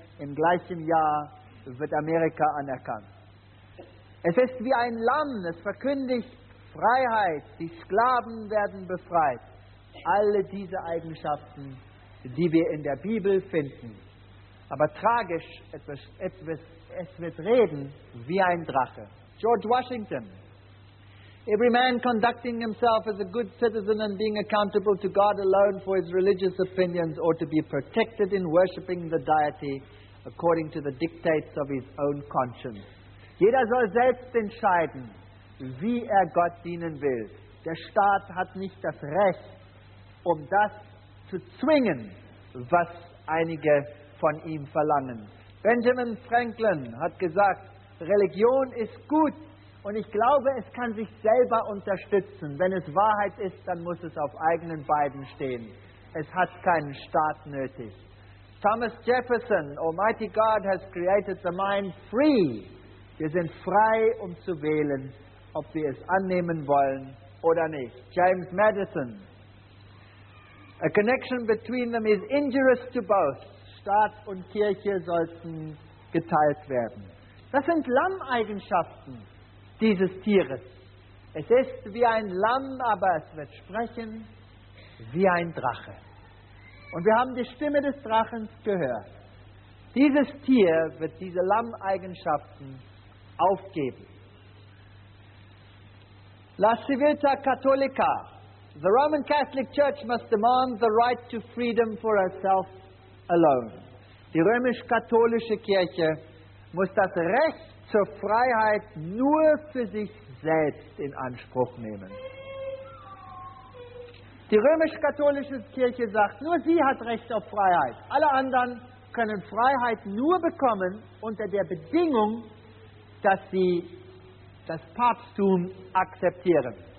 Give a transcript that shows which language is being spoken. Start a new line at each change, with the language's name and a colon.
German: Im gleichen Jahr wird Amerika anerkannt. Es ist wie ein Lamm, es verkündigt Freiheit, die Sklaven werden befreit. Alle diese Eigenschaften, die wir in der Bibel finden. Aber tragisch, es wird reden wie ein Drache. George Washington.
English: Every man conducting himself as a good citizen and being accountable to God alone for his religious opinions ought to be protected in worshipping the deity according to the dictates of his own conscience.
German: Jeder soll selbst entscheiden, wie er Gott dienen will. Der Staat hat nicht das Recht, um das zu zwingen, was einige von ihm verlangen. Benjamin Franklin hat gesagt, Religion ist gut und ich glaube, es kann sich selber unterstützen. Wenn es Wahrheit ist, dann muss es auf eigenen Beinen stehen. Es hat keinen Staat nötig.
English: Thomas Jefferson, Almighty God has created the mind free.
German: Wir sind frei, zu wählen, ob wir es annehmen wollen oder nicht. James Madison.
English: A connection between them is injurious to both.
German: Staat und Kirche sollten geteilt werden. Das sind Lamm-Eigenschaften dieses Tieres. Es ist wie ein Lamm, aber es wird sprechen wie ein Drache. Und wir haben die Stimme des Drachens gehört. Dieses Tier wird diese Lamm-Eigenschaften aufgeben. La Civiltà Cattolica.
English: The Roman Catholic Church must demand the right to freedom for herself alone.
German: Die römisch-katholische Kirche muss das Recht zur Freiheit nur für sich selbst in Anspruch nehmen. Die römisch-katholische Kirche sagt, nur sie hat Recht auf Freiheit. Alle anderen können Freiheit nur bekommen unter der Bedingung, dass sie das Papsttum akzeptieren.